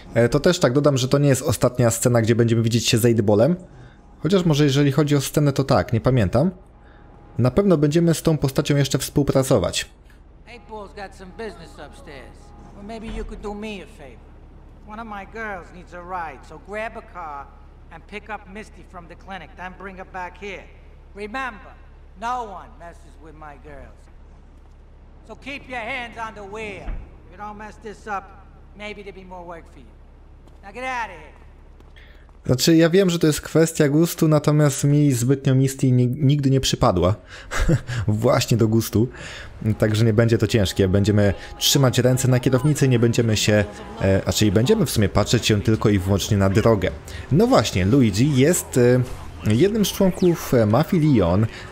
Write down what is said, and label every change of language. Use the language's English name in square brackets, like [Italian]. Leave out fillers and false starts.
[Polish] To też tak dodam, że to nie jest ostatnia scena, gdzie będziemy widzieć się z 8-Ballem. Chociaż może jeżeli chodzi o scenę, to tak, nie pamiętam. Na pewno będziemy z tą postacią jeszcze współpracować. [English] 8-Ball's got some business upstairs. Well, maybe you could do me a favor. One of my girls needs a ride, so grab a car. And pick up Misty from the clinic, then bring her back here. Remember, no one messes with my girls. So keep your hands on the wheel. If you don't mess this up, maybe there'll be more work for you. Now get out of here. [Polish] Znaczy, ja wiem, że to jest kwestia gustu, natomiast mi zbytnio Misty nigdy nie przypadła. Właśnie do gustu. Także nie będzie to ciężkie. Będziemy trzymać ręce na kierownicy, nie będziemy się... czyli będziemy w sumie patrzeć się tylko i wyłącznie na drogę. No właśnie, Luigi jest jednym z członków Mafii Lyon.